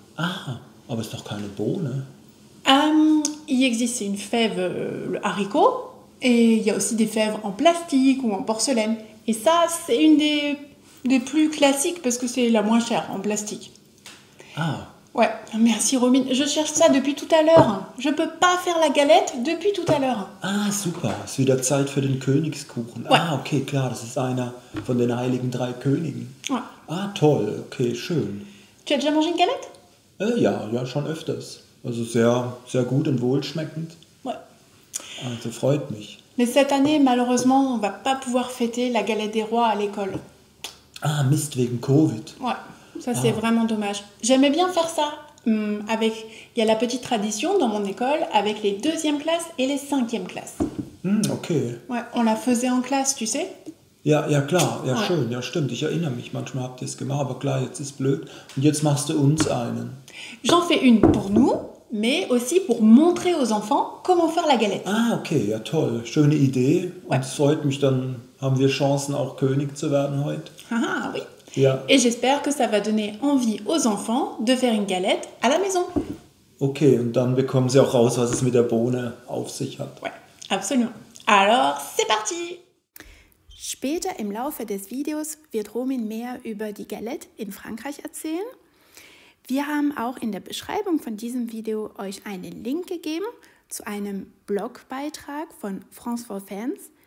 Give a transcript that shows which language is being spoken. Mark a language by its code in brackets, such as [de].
[de] Ah, aber ist doch keine Bohne. [fr] Il existe une fève, le haricot, et il y a aussi des fèves en plastique ou en porcelaine. Et ça, c'est une des plus classiques parce que c'est la moins chère en plastique. Ah. Ouais, merci Romine. Je cherche ça depuis tout à l'heure. Je peux pas faire la galette depuis tout à l'heure. Ah, super. C'est [de] wieder Zeit für den Königskuchen. [fr] Ouais. [de] Ah, ok, klar, das ist einer von den heiligen drei Königen. [fr] Ouais. [de] Ah, toll, ok, schön. [fr] Tu as déjà mangé une galette? [de] Ja, schon öfters. Also sehr, sehr gut und wohlschmeckend. [fr] Ouais. [de] Also freut mich. [fr] Mais cette année, malheureusement, on va pas pouvoir fêter la galette des rois à l'école. [de] Ah, Mist, wegen Covid. [fr] Ouais. Ça, c'est vraiment dommage. J'aimais bien faire ça. Il y a la petite tradition dans mon école avec les deuxièmes classes et les cinquièmes classes. Ok. Ouais, on la faisait en classe, tu sais? [de] Ja, klar. Schön. Ja, stimmt. Ich erinnere mich. Manchmal habt ihr es gemacht. Aber klar, jetzt ist blöd. Und jetzt machst du uns einen. [fr] J'en fais une pour nous, mais aussi pour montrer aux enfants comment faire la galette. [de] Ah, ok. Ja, toll. Schöne Idee. [fr] Ouais. [de] Und es freut mich, dann haben wir Chancen, auch König zu werden heute. [fr] Ah, oui. [de] Ja. [fr] Et j'espère que ça va donner envie aux enfants de faire une galette à la maison. [de] Ok, und dann bekommen sie auch raus, was es mit der Bohne auf sich hat. [fr] Ouais, absolument. Alors, c'est parti! [de] Später im Laufe des Videos wird Romin mehr über die Galette in Frankreich erzählen. Wir haben auch in der Beschreibung von diesem Video euch einen Link gegeben zu einem Blogbeitrag von France for Fans.